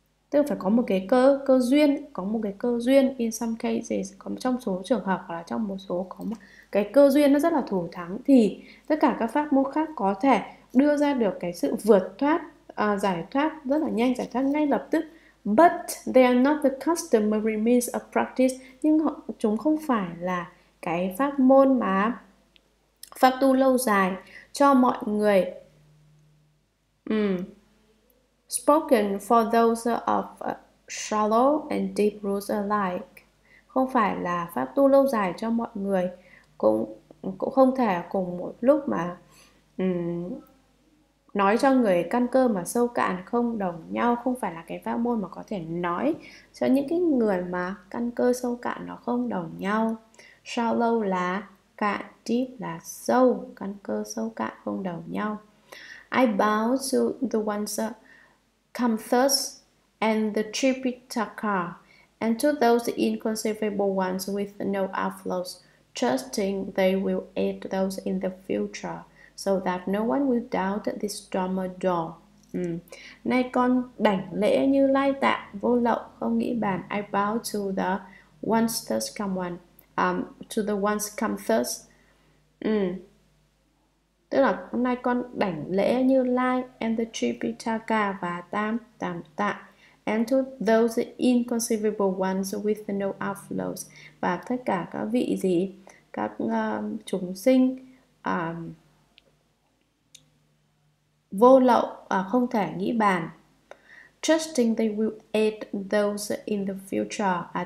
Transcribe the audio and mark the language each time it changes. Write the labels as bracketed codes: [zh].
[vi] Tức phải có một cái cơ duyên, có một cái cơ duyên. [en] In some cases, [vi] có trong số trường hợp hoặc là trong một số có một cái cơ duyên nó rất là thù thắng, thì tất cả các pháp môn khác có thể đưa ra được cái sự vượt thoát, giải thoát rất là nhanh, giải thoát ngay lập tức. [en] But they are not the customary means of practice. [vi] Nhưng chúng không phải là cái pháp môn mà pháp tu lâu dài cho mọi người. [en] Spoken for those of shallow and deep roots alike. [vi] Không phải là pháp tu lâu dài cho mọi người, cũng không thể cùng một lúc mà nói cho người căn cơ mà sâu cạn không đồng nhau, không phải là cái pháp môn mà có thể nói cho những cái người mà căn cơ sâu cạn nó không đồng nhau. Shallow là cạn, deep là sâu, căn cơ sâu cạn không đồng nhau. [en] I bow to the ones come first and the Tripitaka And to those inconceivable ones with no outflows, trusting they will aid those in the future, so that no one will doubt this Dharma door. [vi] Nay con đảnh lễ Như Lai tạng vô lậu không nghĩ bàn. [en] I bow to the ones thus come one. To the ones come thus. [vi] Tức là hôm nay con đảnh lễ Như Lai [en] and the Tripitaka [vi] và tam tam tạng. [en] And to those inconceivable ones with no outflows. [vi] Và tất cả các vị gì? Các chúng sinh vô lậu, không thể nghĩ bàn. [en] Trusting they will aid those in the future.